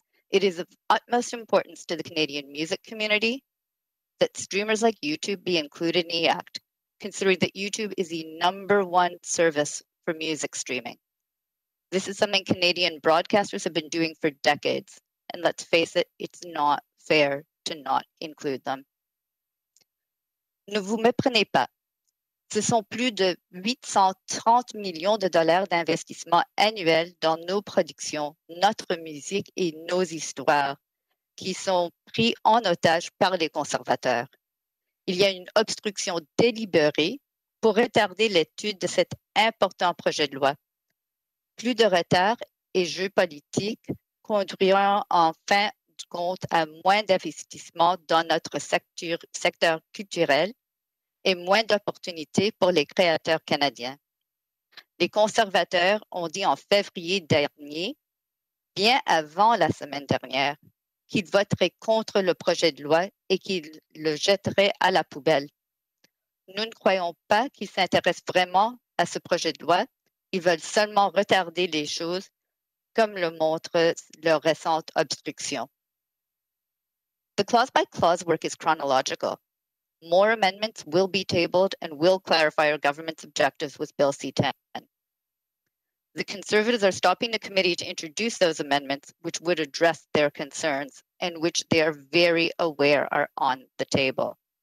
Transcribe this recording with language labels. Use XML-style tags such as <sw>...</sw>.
<en>It is of utmost importance to the Canadian music community that streamers like YouTube be included in the act, considering that YouTube is the number one service for music streaming. This is something Canadian broadcasters have been doing for decades, and let's face it, it's not fair to not include them.</en> <fr>Ne vous méprenez pas. Ce sont plus de 830 millions de dollars d'investissement annuel dans nos productions, notre musique et nos histoires qui sont pris en otage par les conservateurs. Il y a une obstruction délibérée pour retarder l'étude de cet important projet de loi. Plus de retard et jeux politiques conduiront en fin de compte à moins d'investissement dans notre secteur culturel et moins d'opportunités pour les créateurs canadiens. Les conservateurs ont dit en février dernier, bien avant la semaine dernière, qu'ils voteraient contre le projet de loi et qu'ils le jetteraient à la poubelle. Nous ne croyons pas qu'ils s'intéressent vraiment à ce projet de loi. Ils veulent seulement retarder les choses, comme le montre leur récente obstruction.</fr> <en>The clause-by-clause work is chronological. More amendments will be tabled and will clarify our government's objectives with Bill C-10. The Conservatives are stopping the committee to introduce those amendments, which would address their concerns and which they are very aware are on the table.</en>